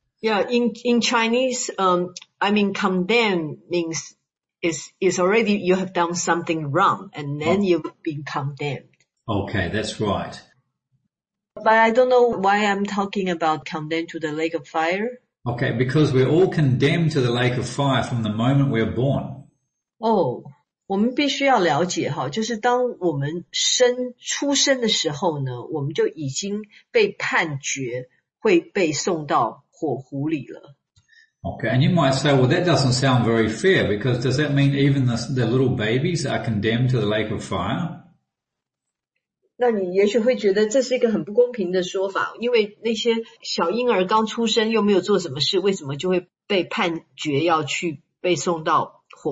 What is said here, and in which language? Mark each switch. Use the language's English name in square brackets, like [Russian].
[English] Yeah, in Chinese, condemn means is already you have done something wrong and then you've been condemned. Okay, that's right. But I don't know why I'm talking about condemned to the lake of fire. Okay, because we're all condemned to the lake of fire from the moment we're born. Oh. [Chinese] 我们必须要了解哈，就是当我们出生的时候呢，我们就已经被判决会被送到火湖里了。 [English] Okay, and you might say, well, that doesn't sound very fair, because does that mean even the little babies are condemned to the lake of fire? [Chinese] 那你也许会觉得这是一个很不公平的说法，因为那些小婴儿刚出生又没有做什么事，为什么就会被判决要去被送到